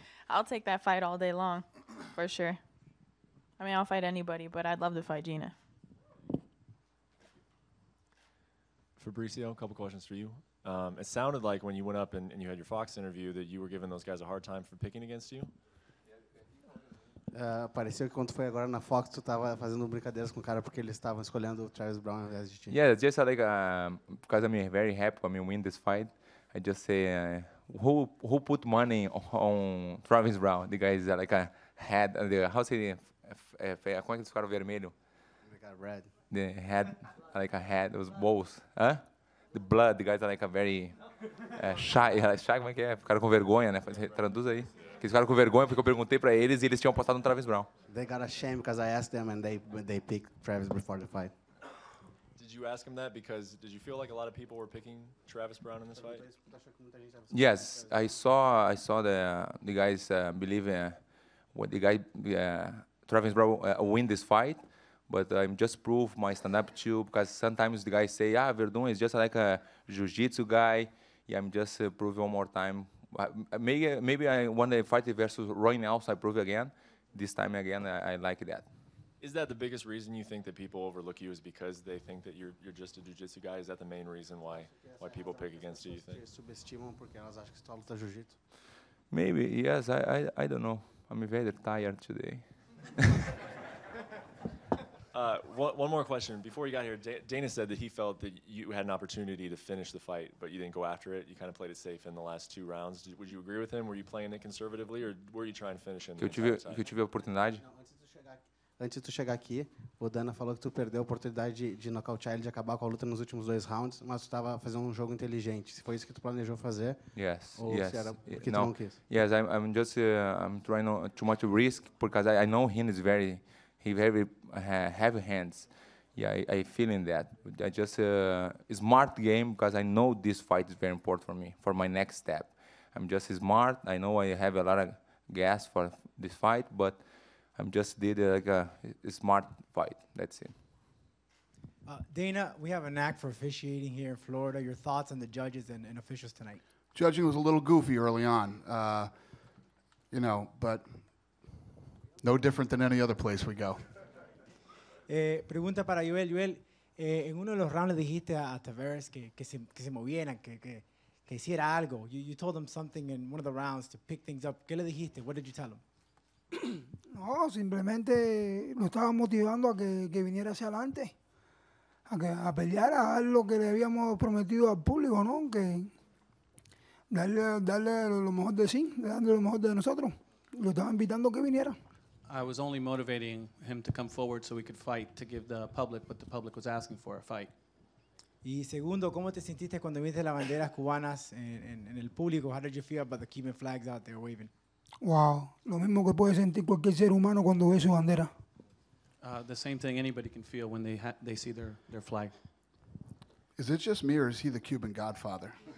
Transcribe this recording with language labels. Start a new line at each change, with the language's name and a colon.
English: I'll take that fight all day long, for sure. I mean, I'll fight anybody, but I'd love to fight Gina. Fabricio, a couple questions for you. It sounded like when you went up and you had your Fox interview that you were giving those guys a hard time for picking against you.
Portuguese: Pareceu que quando foi agora na Fox tu tava fazendo brincadeiras com o cara porque eles estavam escolhendo o Travis Brown ao invés de ti.
English: Yeah, just like because I'm very happy when I win this fight. I just say who put money on Travis Brown? The guy is like a head. The how say the
Portuguese: como é que se fala vermelho?
English: The guy red. The head like a head. It was both, huh? The blood, the guys are like a very shy,
Portuguese: como é que é? Ficaram com vergonha, né? Traduz aí. Eles ficaram com vergonha porque eu perguntei pra eles e eles tinham apostado no Travis Brown.
English: They got ashamed because I asked them and they picked Travis before the fight. Did you ask him that because did you feel like a lot of people were picking Travis Brown in this fight? Yes, I saw the guys believe what the guy, Travis Brown win this fight. But I'm just proof my stand-up too, because sometimes the guys say, ah, Verdun is just like a jiu-jitsu guy. Yeah, I'm just prove one more time. Maybe I want to fight versus Roy Nelson, I prove again. This time again, I like that. Is that the biggest reason you think that people overlook you is because they think that you're just a jiu-jitsu guy? Is that the main reason why people pick against you, you think? Maybe, yes, I don't know. I'm very tired today. One more question. Before you got here, Dana said that he felt that you had an opportunity to finish the fight, but you didn't go after it. You kind of played it safe in the last 2 rounds. Would you agree with him? Were you playing it conservatively, or were you trying to finish him?
Portuguese: Que eu tive a oportunidade. Antes de tu chegar aqui, o Dana falou que tu perdeu a oportunidade de nocautear ele, de acabar com a luta nos últimos 2 rounds, mas tu estava fazendo jogo inteligente. Se foi isso que tu planejou fazer?
English: Yes.
Portuguese: Ou
English: yes.
Portuguese: Se era porque tu não quis?
English: Yes, I'm just I'm trying too much risk because I know him is very. He very heavy hands. Yeah, I feel in that. I just a smart game because I know this fight is very important for me, for my next step. I'm just smart. I know I have a lot of gas for this fight, but I'm just did like a smart fight. That's it. Dana, we have a knack for officiating here in Florida. Your thoughts on the judges and officials tonight? Judging was a little goofy early on, you know, but no different than any other place we go.
Spanish: Pregunta para Joel. Joel, en uno de los rounds dijiste a Tavares que se movieran, que hiciera algo.
English: You told them something in one of the rounds to pick things up.
Spanish: ¿Qué le dijiste?
English: What did you tell them?
Spanish: No, simplemente lo estaba motivando a que viniera hacia adelante, a pelear a lo que le habíamos prometido al público, ¿no? Que darle lo mejor de sí, darle lo mejor de nosotros. Lo estaba invitando a que viniera.
English: I was only motivating him to come forward so we could fight to give the public what the public was asking for, a fight.
Spanish: Y segundo, ¿cómo te sentiste cuando viste las banderas cubanas en el público?
English: How did you feel about the Cuban flags out there waving?
Spanish: Wow, lo mismo que puede sentir cualquier ser humano cuando ve su bandera.
English: The same thing anybody can feel when they see their flag. Is it just me or is he the Cuban godfather?